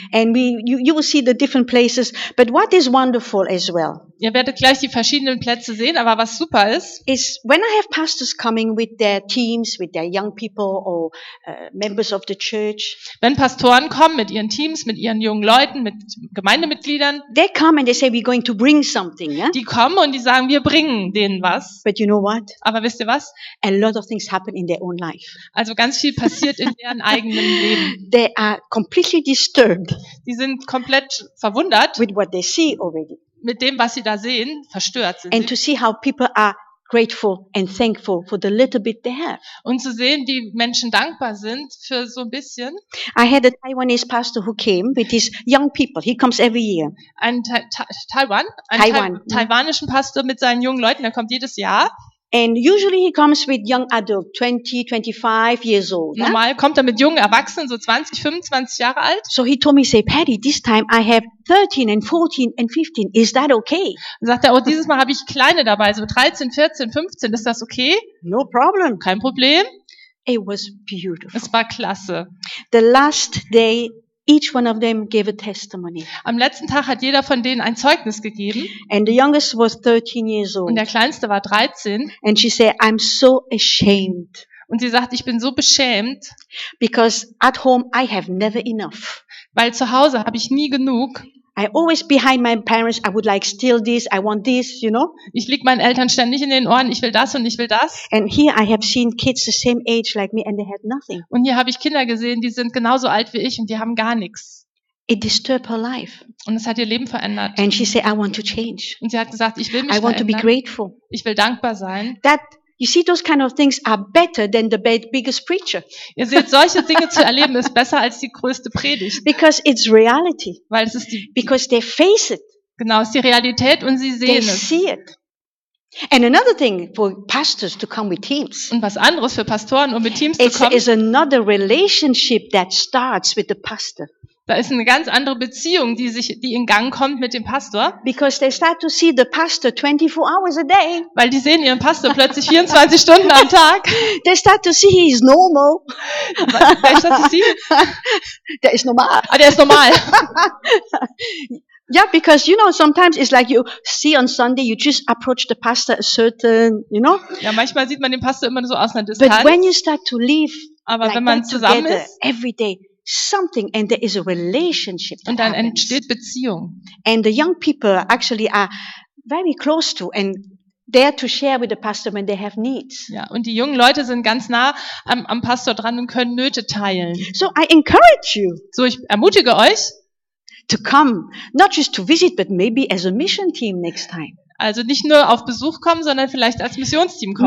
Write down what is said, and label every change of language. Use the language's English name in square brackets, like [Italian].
[English] And you will see the different places, but what is wonderful as well. [German] Ihr werdet gleich die verschiedenen Plätze sehen, aber was super ist, [English] is when I have pastors coming with their teams, with their young people or members of the church. [German] Wenn Pastoren kommen mit ihren Teams, mit ihren jungen Leuten, mit Gemeindemitgliedern. [English] They come and they say we're going to bring something, yeah? [German] Die kommen und die sagen, wir bringen denen was. [English] But you know what? [German] Aber wisst ihr was? [English] A lot of things happen in their own life. [German] Also ganz viel passiert in deren eigenen Leben. [English] They are completely disturbed. [German] Die sind komplett verwundert. [English] With what they see already. [German] Mit dem, was sie da sehen, verstört sind. [English] And to see how people are grateful and thankful for the little bit they have. [German] Und zu sehen, wie Menschen dankbar sind für so ein bisschen. [English] I had a Taiwanese pastor who came with his young people. He comes every year. [German] Taiwanischen Pastor mit seinen jungen Leuten, der kommt jedes Jahr. [English] And usually he comes with young adult, 20, 25 years old. [German] Normal kommt er mit jungen Erwachsenen, so 20, 25 Jahre alt. [English] So he told me, say, Patty, this time I have 13 and 14 and 15. Is that okay? [German] Sagt er, oh, dieses Mal habe ich Kleine dabei, so 13, 14, 15. Ist das okay? [English] No problem. [German] Kein Problem. [English] It was beautiful. [German] Es war klasse. [English] The last day, each one of them gave a testimony. [German] Am letzten Tag hat jeder von denen ein Zeugnis gegeben. [English] And the youngest was 13 years old. [German] Und der Kleinste war 13. [English] And she said, I'm so ashamed. [German] Und sie sagt, ich bin so beschämt. [English] Because at home I have never enough. [German] Weil zu Hause habe ich nie genug. [English] I always behind my parents, I would like steal this, I want this, you know? [German] Ich lieg meinen Eltern ständig in den Ohren, ich will das und ich will das. [English] And here I have seen kids the same age like me and they had nothing. [German] Und hier habe ich Kinder gesehen, die sind genauso alt wie ich und die haben gar nichts. [English] It disturbed her life. [German] Und es hat ihr Leben verändert. [English] And she said, I want to change. [German] Und sie hat gesagt, ich will mich verändern. [English] I want to be grateful. [German] Ich will dankbar sein. [English] That, you see, those kind of things are better than the biggest preacher. [German] Ihr seht, solche Dinge zu erleben ist besser als die größte Predigt. [English] Because it's reality. [German] Weil es ist die. [English] Because they face it. [German] Genau, es ist die Realität und sie sehen [English] they [German] es. [English] They see it. And another thing for pastors to come with teams. [German] Und was anderes für Pastoren, um mit Teams zu kommen. [English] It's another relationship that starts with the pastor. [German] Da ist eine ganz andere Beziehung, die in Gang kommt mit dem Pastor. [English] Because they start to see the pastor 24 hours a day. [German] Weil die sehen ihren Pastor plötzlich 24 Stunden am Tag. [English] They start to see he is normal. They start to see. [German] Der ist normal. Ah, der ist normal. [English] Yeah, because you know sometimes it's like you see on Sunday you just approach the pastor a certain, you know. [German] Ja, manchmal sieht man den Pastor immer so aus einer Distanz. [English] But when you start to live, [German] aber like wenn man zusammen together, ist, [English] every day. Something and there is a relationship. [German] Und dann entsteht Beziehung. [English] And the young people actually are very close to and there to share with the pastor when they have needs. [German] Ja, und die jungen Leute sind ganz nah am Pastor dran und können Nöte teilen. [English] So I encourage you. [German] So ich ermutige euch, [English] to come, not just to visit, but maybe as a mission team next time. [German] Also nicht nur auf Besuch kommen, sondern vielleicht als Missionsteam kommen.